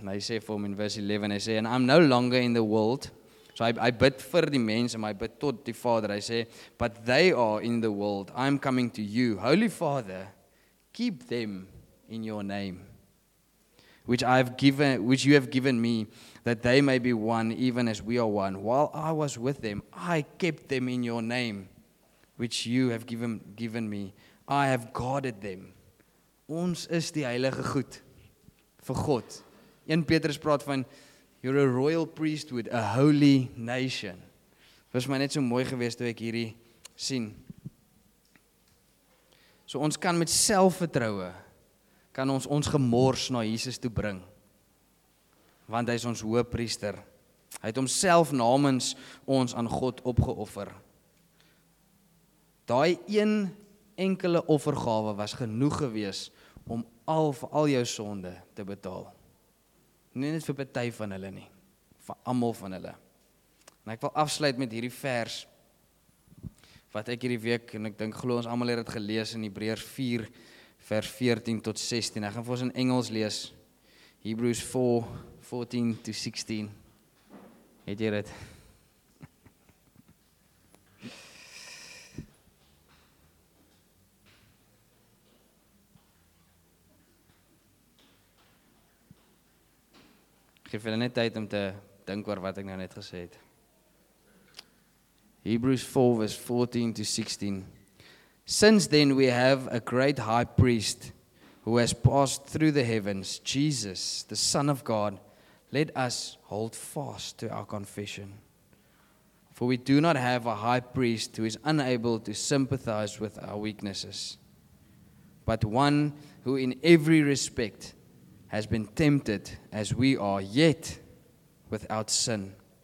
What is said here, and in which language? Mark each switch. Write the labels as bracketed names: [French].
[Afrikaans] En hy sê vir hom in verse 11, hy sê, [English] and I'm no longer in the world. [Afrikaans] So hy bid vir die mens, maar hy bid tot die Vader. Hy sê, [English] but they are in the world. I'm coming to you. Holy Father, keep them in your name, which you have given me, that they may be one, even as we are one. While I was with them, I kept them in your name, which you have given me. I have guarded them. [Afrikaans] Ons is die heilige goed vir God. 1 Petrus praat van, [English] you're a royal priesthood, a holy nation. [Afrikaans] Was my net so mooi gewees toe ek hierdie sien. So ons kan met selfvertroue, kan ons gemors na Jesus toe bring. Want hy is ons hoë priester. Hy het homself namens ons aan God opgeoffer. Daai een enkele offergawe was genoeg gewees om al jou sonde te betaal. Nie net vir party van hulle nie, vir almal van hulle. En ek wil afsluit met hierdie vers wat ek hierdie week, en ek dink glo ons almal het dit gelees in Hebreërs 4 vers 14 tot 16. Ek gaan vir ons in Engels lees. Hebrews 4 14 to 16. Het jy dit? Geef hulle net tyd om te dink oor wat ek nou net gesê het. [English] Hebrews 4 verse 14 to 16. Since then we have a great high priest who has passed through the heavens, Jesus, the Son of God, let us hold fast to our confession. For we do not have a high priest who is unable to sympathize with our weaknesses, but one who in every respect has been tempted as we are, yet without sin.